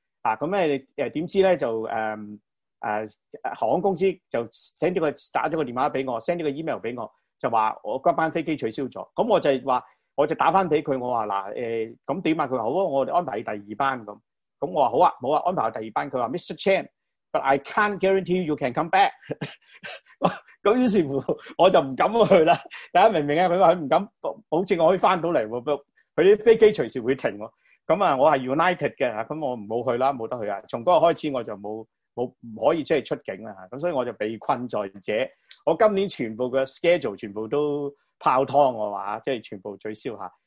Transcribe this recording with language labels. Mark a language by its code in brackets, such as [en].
[yue] 咁点知呢就航空公司就 send 个打咗个电话俾我 ,send 咗个 email 俾我，就话我嗰班飞机取消咗。咁我就话我就打返俾佢，我话嗱咁点啊，佢好我哋安排第二班咁。咁我话好啊，冇啊，安排第二班。佢话 Mr. [en] Chan,But I can't guarantee you can come back. [yue] 咁於是乎我就唔敢去啦。大家明唔明啊？佢話佢唔敢保證我可以翻到嚟喎，佢啲飛機隨時會停喎。咁我係 United 嘅，咁我唔好去啦，冇得去啊。從嗰日開始我就冇唔可以即係出境啦。咁所以我就被困在者。我今年全部嘅 schedule 全部都泡湯，我話即係全部取消下。